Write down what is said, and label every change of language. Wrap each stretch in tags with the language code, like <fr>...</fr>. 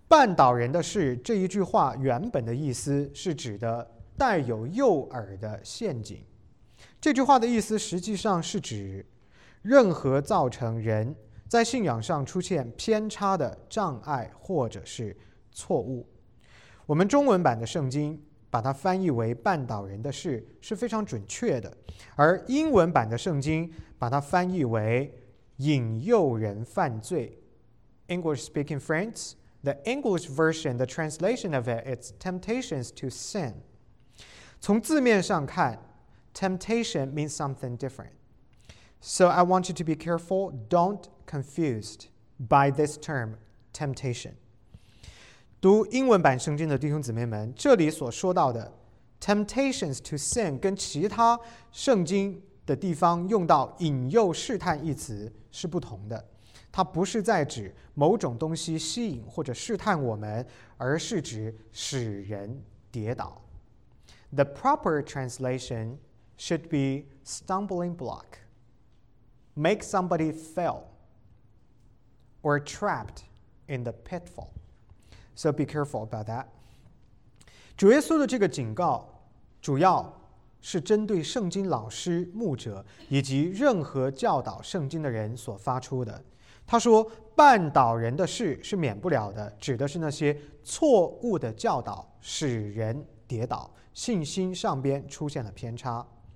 <zh>绊倒人的事这一句话原本的意思是指的带有诱饵的陷阱，这句话的意思实际上是指任何造成人在信仰上出现偏差的障碍或者是错误。我们中文版的圣经把它翻译为绊倒人的事是非常准确的，而英文版的圣经把它翻译为引诱人犯罪。</zh> <en>English speaking friends, the English version, the translation of it, it's temptations to sin.</en> <zh>从字面上看，</zh> <en>temptation means something different. So I want you to be careful, don't confused by this term, temptation.</en> <zh>读英文版圣经的弟兄姊妹们，这里所说到的</zh> <en>temptations to sin</en> <zh>跟其他圣经的地方用到引诱试探一词是不同的，它不是在指某种东西吸引或者试探我们，而是指使人跌倒。</zh> <en>The proper translation should be stumbling block, make somebody fail, or trapped in the pitfall. So be careful about that.</en> <zh>主耶稣的这个警告主要是针对圣经老师、牧者以及任何教导圣经的人所发出的。他说绊倒人的事是免不了的，指的是那些错误的教导使人跌倒，信心上边出现了偏差。</zh>